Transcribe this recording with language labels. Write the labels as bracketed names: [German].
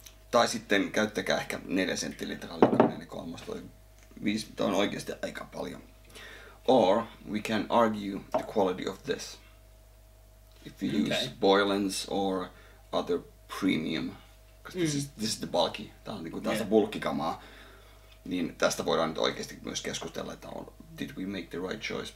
[Finnish] Tai sitten käyttäkää ehkä 4 senttilitraa litrallinen, eli 3.5. Tämä on oikeasti aika paljon. [English] Or we can argue the quality of this. If you use Boylan's or other premium. Because this is the bulky. [Finnish] Tämä on niin kuin tästä bulkkikamaa. Niin tästä voidaan nyt oikeasti myös keskustella, että [English] did we make the right choice.